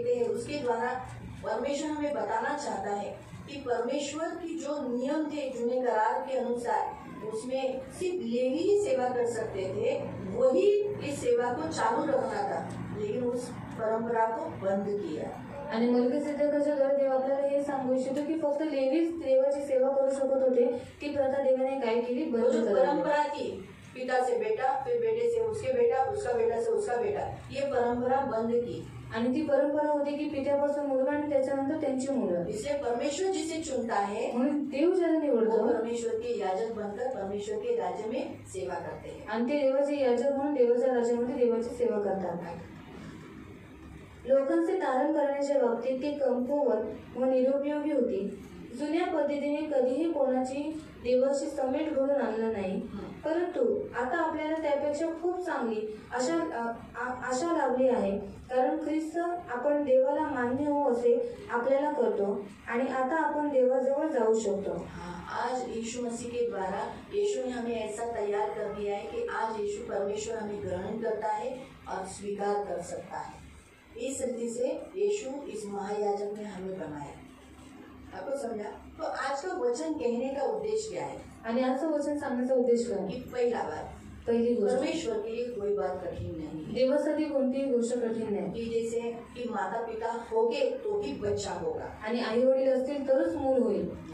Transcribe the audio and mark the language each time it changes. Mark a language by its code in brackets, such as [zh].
[hi] उसके द्वारा परमेश्वर हमें बताना चाहता है कि परमेश्वर की जो नियम थे जुने करार के अनुसार उसमें सिर्फ लेवी ही सेवा कर सकते थे वही इस सेवा को चालू रखना था लेकिन उस परंपरा को बंद किया, [mr] आणि मलकीसिदेकाच्या द्वारे देव आपल्याला हे सांगू इच्छितो की फक्त लेवीच देवाची सेवा करू शकत होते ती प्रथा देवाने काय केली बंद [hi] परंपरा की पिता से बेटा फिर बेटे से उसके बेटा उसका बेटा से उसका बेटा ये परंपरा बंद की, [mr] आणि ती परंपरा होती की पित्यापासून मुलगा आणि त्याच्यानंतर त्यांची मुलं, [hi] इसे परमेश्वर जिसे चुनता है [mr] म्हणून देव ज्याला निवडतो [hi] परमेश्वर के याजक बनकर परमेश्वर के राज्य में सेवा करते हैं, [mr] आणि ते देवाचे याजक म्हणून देवाच्या राज्यामध्ये देवाची सेवा करतात, लोकांचे तारण करण्याच्या बाबतीत ते कमकुवत व निरुपयोगी होती, जुन्या पद्धतीने कधीही कोणाची देवाशी समेट घडून आणलं नाही, परंतु आता आपल्याला त्यापेक्षा खूप चांगली आशा लाभली आहे, कारण ख्रिस्त आपण देवाला मान्य हो असे आपल्याला कळतो आणि आता आपण देवाजवळ जाऊ शकतो. [hi] आज येशु मसीह के द्वारा येशु ने हमें ऐसा तैयार कर दिया है कि आज येशु परमेश्वर हमें ग्रहण करता है और स्वीकार कर सकता है. इस रीति से येशु इस महायाजक ने हमें बनाया. आपको समझा? तो आज का वचन कहने का उद्देश्य क्या है? यानी आज का वचन सामने का उद्देश्य क्या है? पहला बात, [mr] पहली गोष्ट, [hi] परमेश्वर के लिए कोई बात कठिन नहीं है. [mr] देवासाठी कोणतीही गोष्ट कठिन नाही. [hi] की जैसे की माता पिता हो गे तो ही बच्चा होगा, [mr] आणि आई वडील असतील तरच मूल होईल.